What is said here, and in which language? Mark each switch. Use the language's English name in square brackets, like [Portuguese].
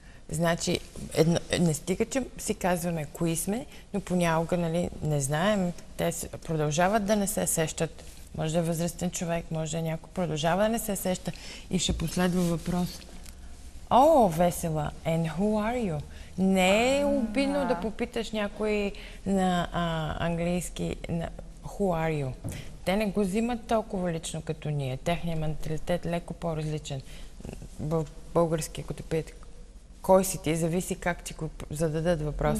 [Bulgarian] Значи, не стига, че си казваме кои сме, но понякога, нали, не знаем. Те продължават да не се сещат. Може да е възрастен човек, може да някой продължава да не се сеща. И ще последва въпрос. [English] О, Весела, and who are you? [Bulgarian] Не е обидно да попиташ някой на английски на [English] who are you. [Bulgarian] Те не го взимат толкова лично като ние. Техният менталитет леко по-различен. Български, ако те пият кой си ти, зависи как ти зададат въпроса,